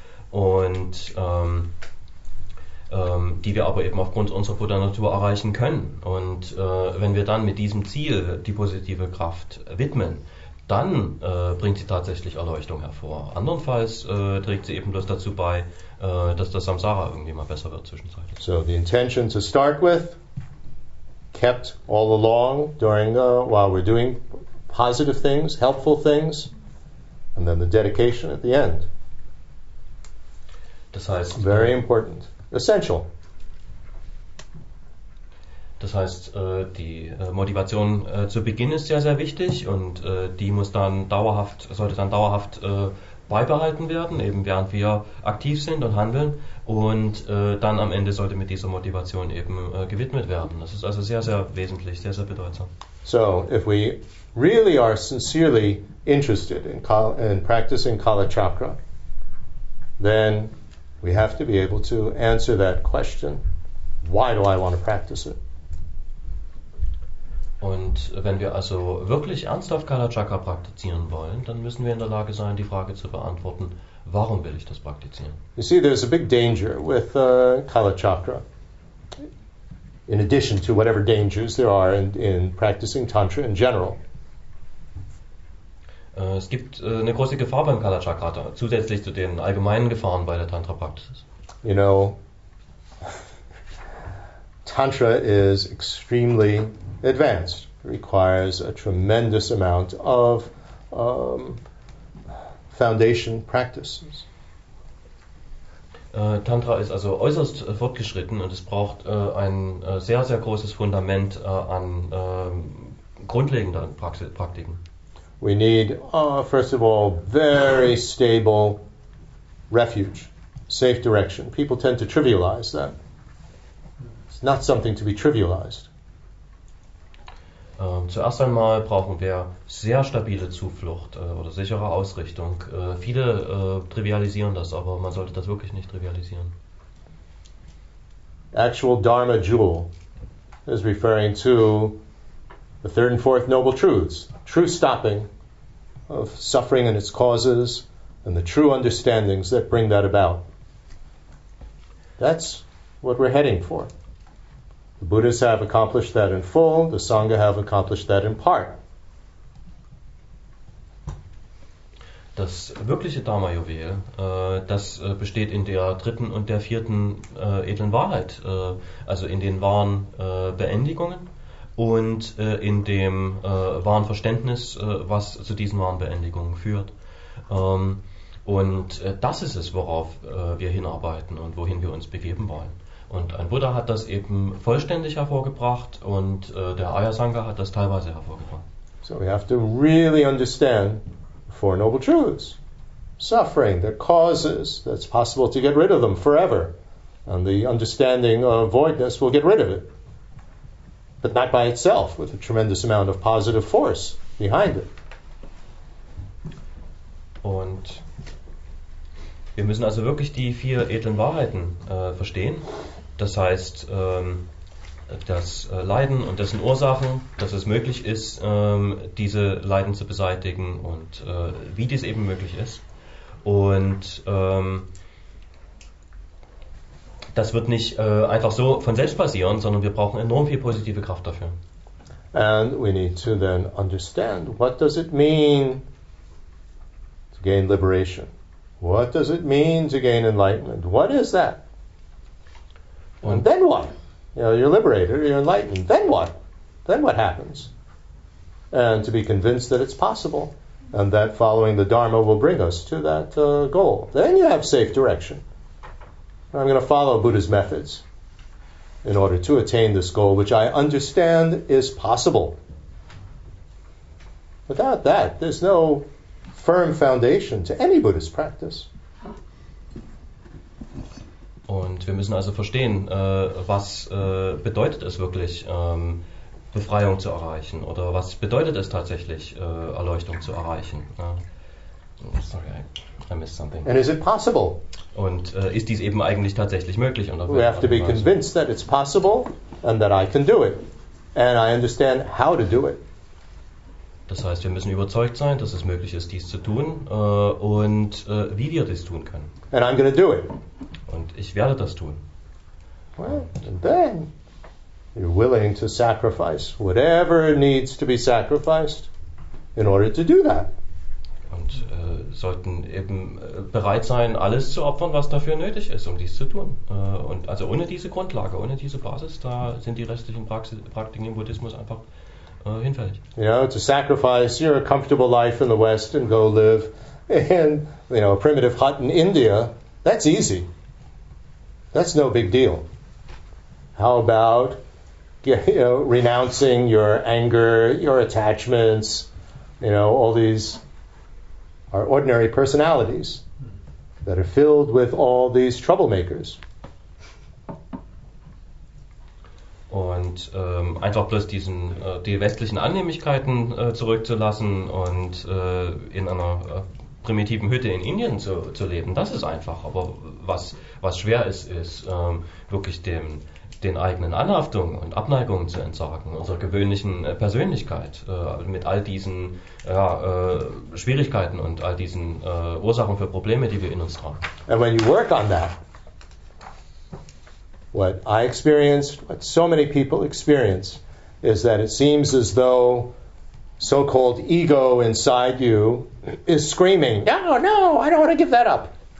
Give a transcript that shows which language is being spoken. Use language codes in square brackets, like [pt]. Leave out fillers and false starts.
[de] Und die wir aber eben aufgrund unserer Buddha-Natur erreichen können. Und wenn wir dann mit diesem Ziel die positive Kraft widmen, dann bringt sie tatsächlich Erleuchtung hervor. Andernfalls trägt sie eben bloß dazu bei, dass das Samsara irgendwie mal besser wird zwischenzeitlich. [en] So, the intention to start with, kept all along during while we're doing positive things, helpful things, and then the dedication at the end. [de] Das heißt, [en] very important, essential. [de] Das heißt, die Motivation zu Beginn ist sehr, sehr wichtig und die muss dann dauerhaft, sollte dann dauerhaft beibehalten werden, eben während wir aktiv sind und handeln. Und dann am Ende sollte mit dieser Motivation eben gewidmet werden. Das ist also sehr, sehr wesentlich, sehr, sehr bedeutsam. [en] So, if we really are sincerely interested in practicing Kalachakra, then we have to be able to answer that question, why do I want to practice it? [de] Und wenn wir also wirklich ernsthaft Kalachakra praktizieren wollen, dann müssen wir in der Lage sein, die Frage zu beantworten, warum will ich das praktizieren? [en] You see, there's a big danger with Kalachakra, in addition to whatever dangers there are in practicing Tantra in general. [de] Es gibt eine große Gefahr beim Kalachakra, zusätzlich zu den allgemeinen Gefahren bei der Tantra-Praxis. [en] You know, Tantra is extremely advanced. It requires a tremendous amount of foundation practices. [de] Tantra ist also äußerst fortgeschritten und es braucht ein sehr, sehr großes Fundament an grundlegenden Praktiken. [en] We need, first of all, very stable refuge, safe direction. People tend to trivialize that. It's not something to be trivialized. [de] Zuerst einmal brauchen wir sehr stabile Zuflucht oder sichere Ausrichtung. Viele trivialisieren das, aber man sollte das wirklich nicht trivialisieren. [en] Actual Dharma Jewel is referring to the third and fourth noble truths. True stopping of suffering and its causes and the true understandings that bring that about. That's what we're heading for. The Buddhists have accomplished that in full. The Sangha have accomplished that in part. [de] Das wirkliche Dharma-Juwel, das besteht in der dritten und der vierten edlen Wahrheit, also in den wahren Beendigungen und in dem wahren Verständnis, was zu diesen wahren Beendigungen führt. Und das ist es, worauf wir hinarbeiten und wohin wir uns begeben wollen. Und ein Buddha hat das eben vollständig hervorgebracht und der Ayasangha hat das teilweise hervorgebracht. [en] So we have to really understand the Four Noble Truths. Suffering, the causes, that's possible to get rid of them forever. And the understanding of voidness will get rid of it. But not by itself, with a tremendous amount of positive force behind it. [de] Und wir müssen also wirklich die vier edlen Wahrheiten verstehen. Das heißt, das Leiden und dessen Ursachen, dass es möglich ist, diese Leiden zu beseitigen und wie dies eben möglich ist. Und das wird nicht einfach so von selbst passieren, sondern wir brauchen enorm viel positive Kraft dafür. [en] And we need to then understand, what does it mean to gain liberation? What does it mean to gain enlightenment? What is that? And then what? You know, you're liberated, you're enlightened. Then what? Then what happens? And to be convinced that it's possible and that following the Dharma will bring us to that goal. Then you have safe direction. I'm going to follow Buddha's methods in order to attain this goal, which I understand is possible. Without that, there's no firm foundation to any Buddhist practice. [de] Und wir müssen also verstehen, was bedeutet es wirklich, Befreiung zu erreichen? Oder was bedeutet es tatsächlich, Erleuchtung zu erreichen? [en] Sorry, I missed something. And is it possible? [de] Und ist dies eben eigentlich tatsächlich möglich? [en] We have to be convinced that it's possible and that I can do it. And I understand how to do it. [de] Das heißt, wir müssen überzeugt sein, dass es möglich ist, dies zu tun und wie wir dies tun können. [en] And I'm going to do it. [de] Und ich werde das tun. [en] Well, and then you're willing to sacrifice whatever needs to be sacrificed in order to do that. [de] Und sollten eben bereit sein, alles zu opfern, was dafür nötig ist, um dies zu tun. Und also ohne diese Grundlage, ohne diese Basis, da sind die restlichen Praktiken im Buddhismus einfach hinfällig. [en] You know, to sacrifice your comfortable life in the West and go live in, you know, a primitive hut in India, that's easy. That's no big deal. How about, you know, renouncing your anger, your attachments, you know, all these are ordinary personalities that are filled with all these troublemakers. [de] Und einfach bloß diesen die westlichen Annehmlichkeiten zurückzulassen und in einer primitiven Hütte in Indien zu leben, das ist einfach. Aber was schwer ist, ist wirklich den eigenen Anhaftungen und Abneigungen zu entsorgen, unserer gewöhnlichen Persönlichkeit mit all diesen Schwierigkeiten und all diesen Ursachen für Probleme, die wir in uns tragen. [en] And when you work on that, what I experienced, what so many people experience, is that it seems as though so-called ego inside you is screaming, no, I don't want to give that up.